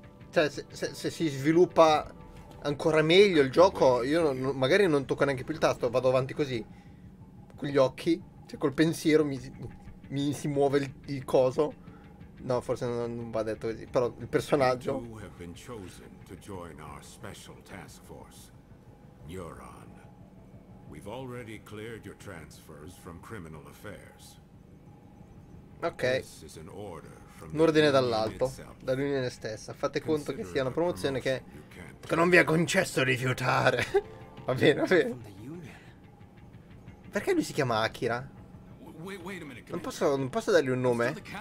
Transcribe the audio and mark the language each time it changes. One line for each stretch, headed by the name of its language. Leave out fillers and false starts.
Italian: Cioè, se si sviluppa ancora meglio il gioco, io magari non tocco neanche più il tasto, vado avanti così. Con gli occhi, cioè col pensiero mi si muove il coso. No, forse non va detto così, però il personaggio.
English: You have been chosen to join our special task force, Neuron. We've already cleared your transfers from criminal affairs. Ok.
Italian: Un ordine dall'alto, dall'unione stessa. Fate conto che sia una promozione che non vi ha concesso rifiutare. Va bene. Perché lui si chiama Akira? Non posso dargli un nome?